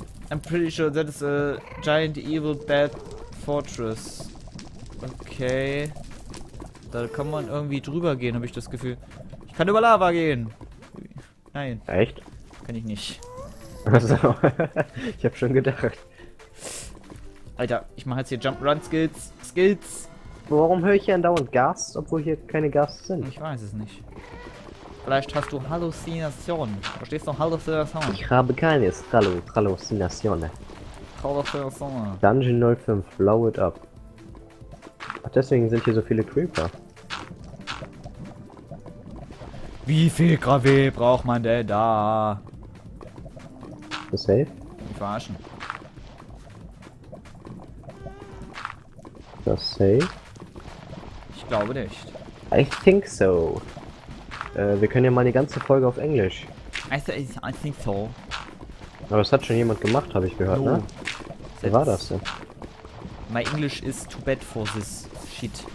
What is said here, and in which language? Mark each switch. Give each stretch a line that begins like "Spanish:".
English: I'm pretty sure that is a giant evil bad fortress.
German: Okay. Da kann man irgendwie drüber gehen, habe ich das Gefühl. Ich kann über Lava gehen. Nein. Echt? Kann ich nicht. Also, ich hab schon gedacht. Alter, ich mach jetzt hier Jump-Run-Skills. Skills! Warum höre ich hier andauernd Gas, obwohl hier keine Gas sind? Ich weiß es nicht. Vielleicht hast du Halluzinationen. Verstehst du Halluzinationen? Ich habe keine Halluzinationen. Halluzinationen.
English: Dungeon 05, blow it up.
German: Ach, deswegen sind hier so viele Creeper. Wie viel Gravé braucht man denn da? Das ist safe? Mich verarschen. Das ist safe? Ich glaube nicht.
English: I think so.
German: Wir können ja mal eine ganze Folge auf Englisch.
English: I think so.
German: Aber das hat schon jemand gemacht, habe ich gehört, no. Ne? Wie war das denn?
English: My English is too bad for this shit.